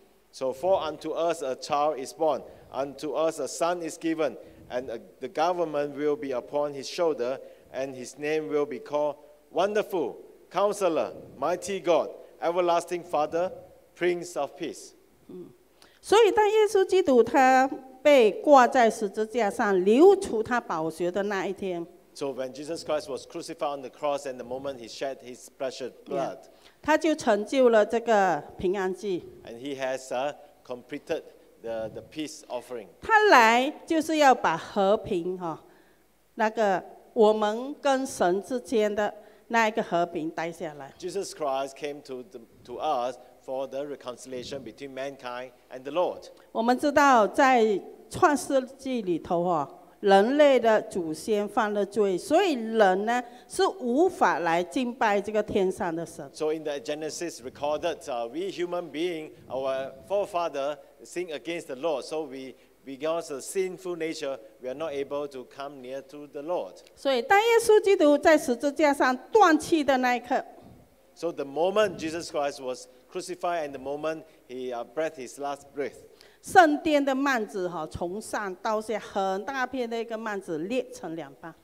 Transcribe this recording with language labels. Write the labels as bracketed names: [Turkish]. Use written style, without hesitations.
[English] So for unto us a child is born, unto us a son is given, and the government will be upon his shoulder, and his name will be called Wonderful, Counselor, Mighty God, Everlasting Father, Prince of Peace. [Chinese] 所以当耶稣基督他被挂在十字架上流出他宝血的那一天， [English] So when Jesus Christ was crucified on the cross and the moment he shed his precious blood, yeah. [Chinese] 他就成就了这个平安祭。 [English] And he has completed the peace offering. [Chinese] 他来就是要把和平，那个我们跟神之间的那一个和平带下来。 [English] Jesus Christ came to us for the reconciliation between mankind and the Lord. [Chinese] 我们知道在创世纪里头，人类的祖先犯了罪，所以人呢是无法来敬拜这个天上的神。 [English] So in the Genesis recorded, we human being, our forefather sinned against the Lord. So we, because of sinful nature, we are not able to come near to the Lord. [Chinese] 所以当耶稣基督在十字架上断气的那一刻， [English] So the moment Jesus Christ was crucified and the moment he breathed his last breath. [Chinese] 圣殿的幔子从上到下很大片的一个幔子裂成两半。